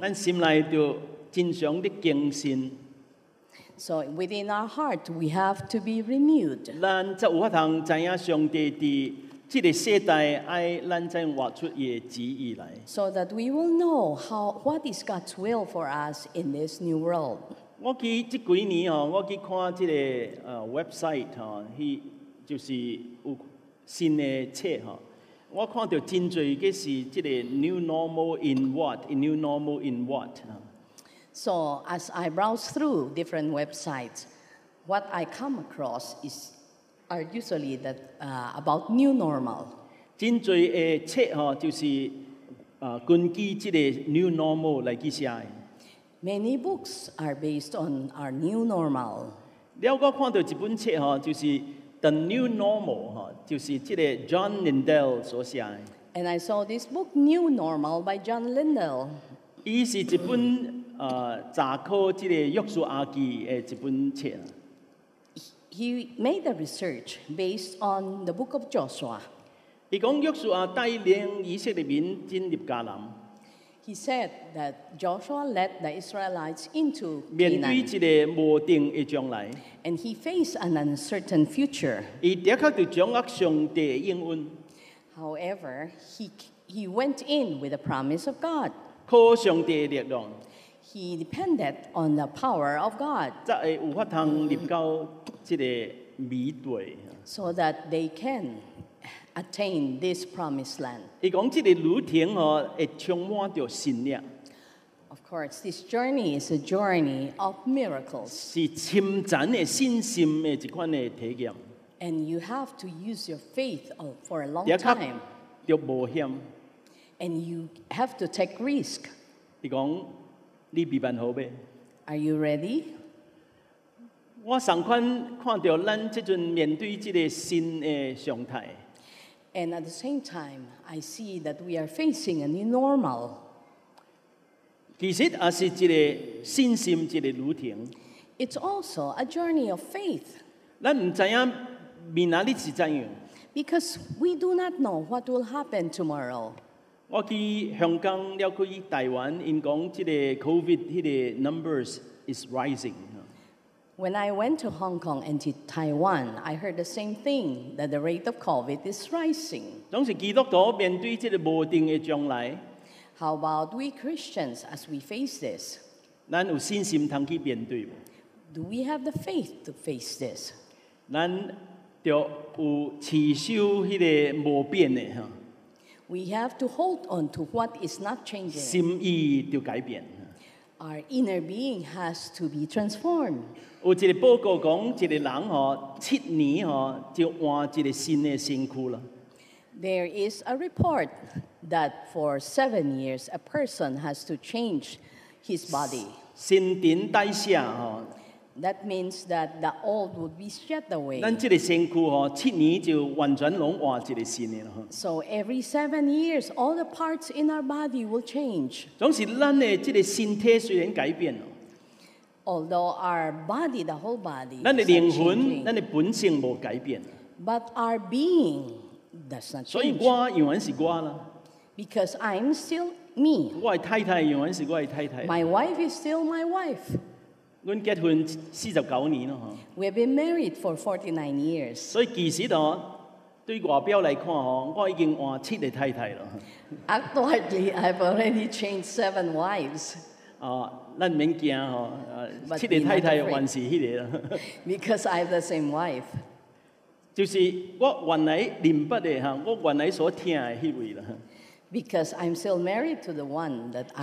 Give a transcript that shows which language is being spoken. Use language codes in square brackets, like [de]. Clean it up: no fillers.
[nan] 咱心内就经常的更新。 [en] So within our heart, we have to be renewed. [nan] 咱才有法通知影上帝伫这个世代爱咱才活出伊的旨意来。 [en] So that we will know how what is God's will for us in this new world. [nan] 我去这几年哦，我去看这个website 哈，去就是有新的册哈。我看到真多，佮是即个 [en] new normal in what? New normal in what? So as I browse through different websites, what I come across is are usually that about new normal. [nan] 真多的册吼，就是根据即个 new normal 来去写。 [en] Many books are based on our new normal. [nan] 了，我看到一本册吼，就是。 The New Normal 就是这个 John Lindell 所写的。 [en] And I saw this book New Normal by John Lindell. [nan] 伊是一本查考这个约书亚记的一本册。 [en] He made the research based on the book of Joshua. [nan] 伊讲约书亚带领以色列民进入迦南。 [en] He said that Joshua led the Israelites into Canaan. [nan] 面对一个无定的将来。 [en] And he faced an uncertain future. [nan] 伊的确就掌握上帝的应允。 [en] However, he went in with the promise of God. [nan] 靠上帝的力量。 [en] He depended on the power of God. [nan] 才会有法通入到这个美地。 [en] So that they can attain this promised land. [nan] 伊讲这个旅程哦，会充满着信念。 [en] Of course, this journey is a journey of miracles. [nan] 是深层的信心的一款的体验。 [en] And you have to use your faith for a long time. [nan] 就冒险。 [en] And you have to take risk. [nan] 伊讲。你備辦好未？ [en] Are you ready? [nan] 我上款看到咱即陣面對即個新的狀態。 [en] And at the same time, I see that we are facing a new normal. [nan] 其實也是即個信心即個旅程。 [en] It's also a journey of faith. [nan] 咱唔知影明仔日是怎樣。 [en] Because we do not know what will happen tomorrow. [nan] 我去香港了，去台湾，因讲这个 COVID 迄个 [en] numbers is rising。 When I went to Hong Kong and to Taiwan, I heard the same thing that the rate of COVID is rising。 [nan] 总是基督徒面对这个无定的将来。 [en] How about we Christians as we face this？ [nan] 咱有信心通去面对无 [en] ？Do we have the faith to face this？ [nan] 咱就有持守迄个无变的哈。 [en] We have to hold on to what is not changing. [nan] 心意就改变。 [en] Our inner being has to be transformed. [nan] 有一个报告讲，一个人哦，七年哦，就换一个新的身躯了。 [en] There is a report that for 7 years, a person has to change his body. [nan] 新陈代谢哦。 [en] That means that the old would be shed away. [nan] 咱这个身躯哦，七年就完全拢换一个新的了。 [en] So every 7 years, all the parts in our body will change. [nan] 总是咱的这个身体虽然改变了 [en] ，although our body, the whole body, [nan] 咱的灵魂、咱的本性无改变 [en] ，but our being does not change. [nan] 所以我永远是我啦。 [en] Because I'm still me. [nan] 我的太太永远是我的太太。 [en] My wife is still my wife. [nan] 阮结婚49年了哈。 [en] We have been married for 49 years. [nan] 所以其实哦，对外表来看哦，我已经换七个太太了。 [en] Actually, I've already changed 7 wives. [nan] 啊，咱免惊哦，七个太太还是迄个。 [en] Because I have the same wife. [nan] 就是我原来认不得哈，我原来所听的迄位了。 [en] Because I'm still married to the one that I used to